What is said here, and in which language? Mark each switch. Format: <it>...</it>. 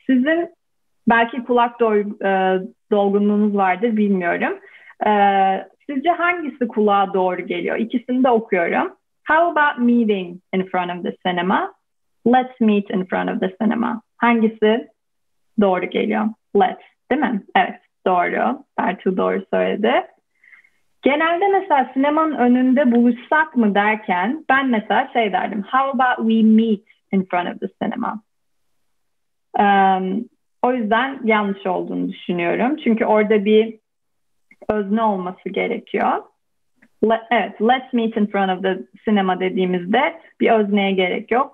<tr>Sizin belki kulak dolgunluğunuz vardır bilmiyorum. Sizce hangisi kulağa doğru geliyor? İkisini de okuyorum.</tr> <en>How about meeting in front of the cinema? Let's meet in front of the cinema.</en> <tr>Hangisi doğru geliyor?</tr> <en>Let's,</en> <tr>değil mi? Evet, doğru. Bertu doğru söyledi. Genelde mesela sinemanın önünde buluşsak mı derken ben mesela şey derdim.</tr> <en>How about we meet in front of the cinema?</en> <tr>O yüzden yanlış olduğunu düşünüyorum. Çünkü orada bir özne olması gerekiyor. Evet,</tr> <en>let's meet in front of the cinema</en> <tr>dediğimizde bir özneye gerek yok.</tr>